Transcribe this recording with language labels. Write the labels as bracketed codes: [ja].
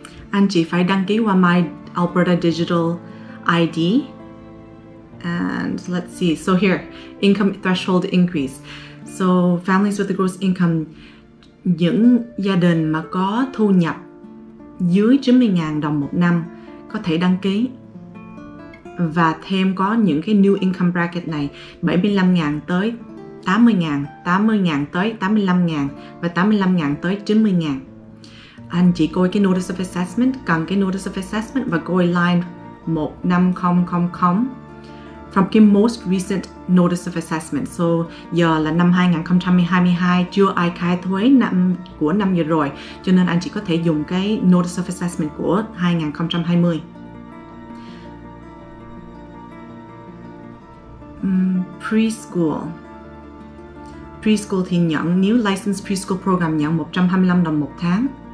[vi] Anh chị phải đăng ký qua My Alberta Digital ID. [en] And let's see, so here, income threshold increase. So families with a gross income, [vi] những gia đình mà có thu nhập dưới 90.000 đồng một năm có thể đăng ký. Và thêm có những cái [en] new income bracket [vi] này, 75.000 tới 80.000, 80.000 tới 85.000 và 85.000 tới 90.000. Anh chị coi cái notice of assessment, cần cái notice of assessment và coi line 15000. [en] From the most recent notice of assessment. [vi] So giờ là năm 2022, chưa ai khai thuế năm của năm vừa rồi, cho nên anh chị có thể dùng cái notice of assessment của 2020. Preschool thì nhận [en] new licensed preschool program [vi] nhận 125 đồng một tháng.